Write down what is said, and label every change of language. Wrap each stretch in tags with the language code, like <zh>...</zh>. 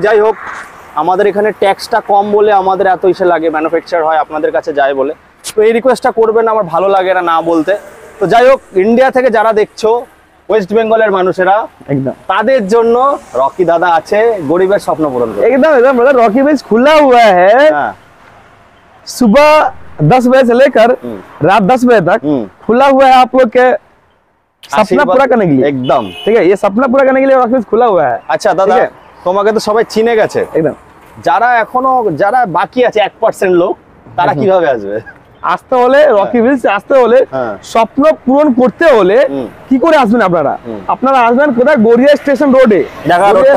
<bn>যাই হোক, আমাদের এখানে ট্যাক্সটা কম বলে আমাদের এত ইসে লাগে, ম্যানুফ্যাকচার হয় আপনাদের কাছে যায় বলে, তো এই রিকোয়েস্টটা করবেন, আমার ভালো লাগে না না বলতে। তো যাই হোক, ইন্ডিয়া থেকে যারা দেখছো ওয়েস্ট বেঙ্গলের মানুষেরা একদম, তাদের জন্য রকি দাদা আছে গরিবের স্বপ্ন পূরণ করবে একদম একদম।</bn> <hi>রকি বেঞ্চ খুলা হুয়া হ্যায় সুবহ 10 বজে से लेकर रात 10 बजे तक खुला हुआ है, आप लोग के सपना पूरा करने के लिए एकदम। ठीक है, ये सपना पूरा करने के लिए ऑफिस खुला हुआ है। अच्छा दादा,</hi> <bn>তোমাকে তো সবাই চিনে গেছে একদম, যারা এখনো যারা বাকি আছে 1% লোক তারা কিভাবে আসবে? আসতে হলে রকি উইলস আসতে হলে স্বপ্ন পূরণ করতে হলে কি করে আসবেন আপনারা? আপনারা আসবেন কোথায়? গড়িয়া স্টেশন রোডে, গড়িয়া</bn>